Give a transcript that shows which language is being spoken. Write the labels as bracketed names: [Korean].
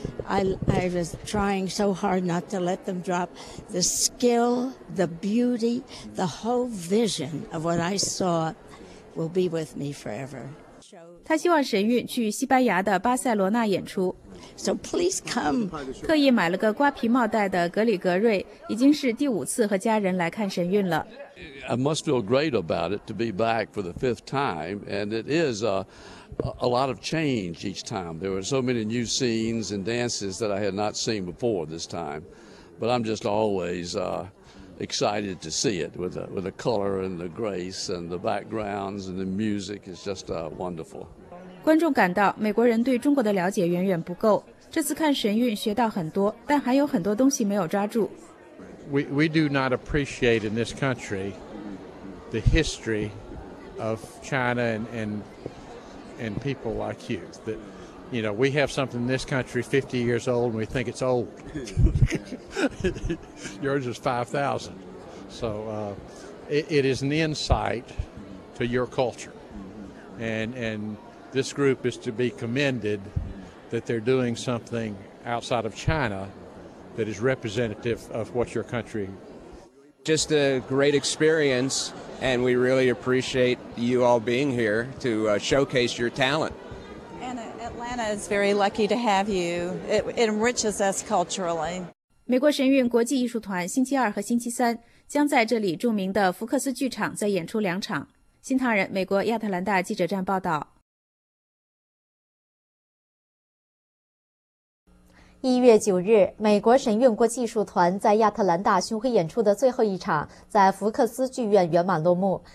[English] I was trying so hard not to let them drop. The skill, the beauty, the whole vision of what I saw will be with me forever. [Chinese] 他希望神韵去西班牙的巴塞罗那演出。 [English] So please come. [Chinese] 特意买了个瓜皮帽戴的格里格瑞，已经是第五次和家人来看神韵了。 [English] I must feel great about it to be back for the fifth time, and it is a lot of change each time. There were so many new scenes and dances that I had not seen before this time. But I'm just always excited to see it with the color and the grace and the backgrounds and the music is just wonderful. [Chinese] 观众感到美国人对中国的了解远远不够。这次看神韵学到很多，但还有很多东西没有抓住。 [English] We do not appreciate in this country the history of China and people like you, that, you know, we have something in this country 50 years old and we think it's old. Yours is 5,000. So it is an insight to your culture. And this group is to be commended that they're doing something outside of China that is representative of what your country. Just a great experience. And we really appreciate you all being here to showcase your talent. And Atlanta is very lucky to have you. It enriches us culturally. [Chinese] 美国神韵国际艺术团星期二和星期三将在这里著名的福克斯剧场再演出两场。新唐人美国亚特兰大记者站报道。 1月9日，美国神韵国际艺术团在亚特兰大巡回演出的最后一场在福克斯剧院圆满落幕。